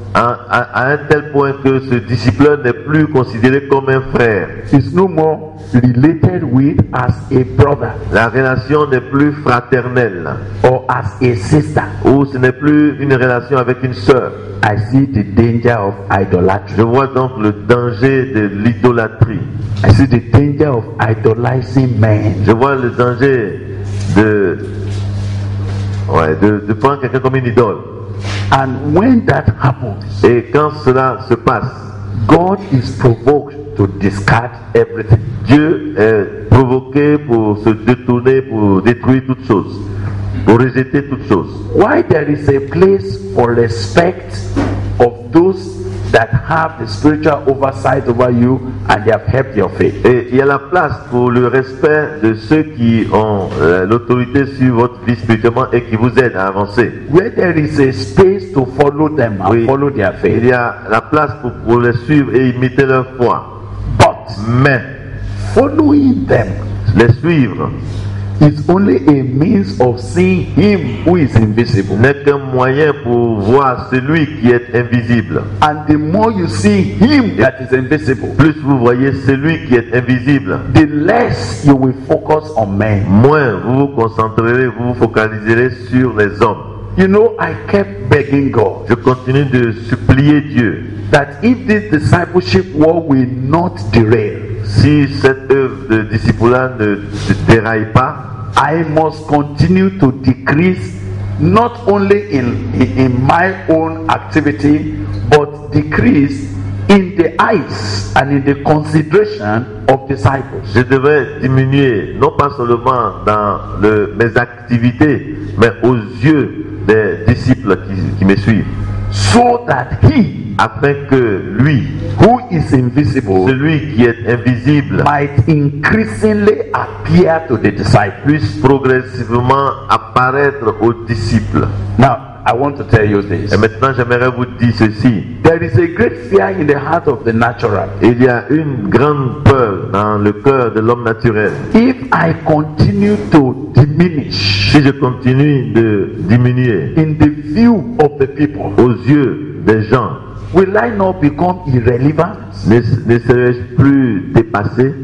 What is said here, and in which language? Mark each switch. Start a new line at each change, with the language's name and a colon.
French: À un tel point que ce disciple n'est plus considéré comme un frère.
English: Is no more related with as a brother.
French: La relation n'est plus fraternelle.
English: Or as a sister.
French: Ou ce n'est plus une relation avec une sœur.
English: I see the danger of idolatry.
French: Je vois donc le danger de l'idolâtrie.
English: I see the danger of idolizing men.
French: Je vois le danger de de prendre quelqu'un comme une idole.
English: And when that happens,
French: et quand cela se passe,
English: God is provoked to discard everything.
French: Dieu est provoqué pour se détourner, pour détruire toutes choses, pour rejeter toutes choses.
English: Why there is a place for respect of those that have the spiritual oversight over you and they have helped your faith?
French: Et il y a la place pour le respect de ceux qui ont l'autorité sur votre vie spirituellement et qui vous aident à avancer.
English: Where there is a space to follow them and follow their faith.
French: Il y a la place pour les suivre et imiter leur foi.
English: But
French: mais
English: following them,
French: les suivre,
English: is only a means of seeing him who is invisible.
French: N'est qu'un moyen pour voir celui qui est invisible.
English: And the more you see him that is invisible,
French: plus vous voyez celui qui est invisible,
English: the less you will focus on men.
French: Moins vous vous concentrerez, vous vous focaliserez sur les hommes.
English: You know, I kept begging God.
French: Je continue de supplier Dieu.
English: That if this discipleship war will not derail.
French: Si cette œuvre de discipulat ne déraille pas,
English: I must continue to decrease, not only in my own activity, but decrease in the eyes and in the consideration of disciples.
French: Je devrais diminuer non pas seulement dans mes activités, mais aux yeux des disciples qui me suivent.
English: So that he,
French: afin que lui,
English: who is invisible,
French: celui qui est invisible,
English: might increasingly appear to the disciples,
French: puisse progressivement apparaître aux disciples.
English: Now, I want to tell you this.
French: Et maintenant, j'aimerais vous dire ceci.
English: There is a great fear in the heart of the natural.
French: Il y a une grande peur dans le cœur de l'homme naturel.
English: If I continue to diminish,
French: si je continue de diminuer,
English: in the view of the people,
French: aux yeux des gens,
English: will I not become irrelevant?
French: Ne serais-je plus dépassé?